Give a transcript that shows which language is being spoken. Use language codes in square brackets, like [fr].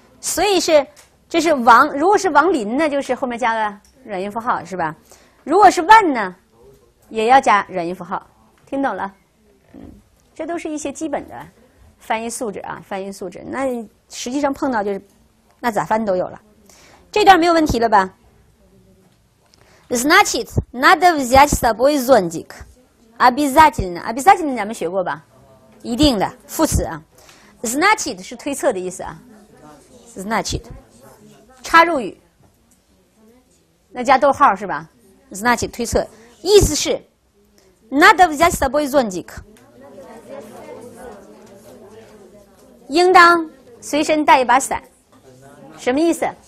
[zh] 所以是，这是王，如果是王林呢，就是后面加个软音符号是吧？如果是万呢，也要加软音符号，听懂了？这都是一些基本的翻译素质啊，翻译素质。那实际上碰到就是，那咋翻都有了。这段没有问题了吧 ？ [ru] Значит, надо взять с собой зонтик。 [zh] Обязательно, обязательно 咱们学过吧？一定的副词啊 ，значит 是推测的意思啊 ，значит 插入语，那加逗号是吧 ？значит 推测，意思是 [ru] надо взять с собой зонтик， [zh] 应当随身带一把伞，什么意思？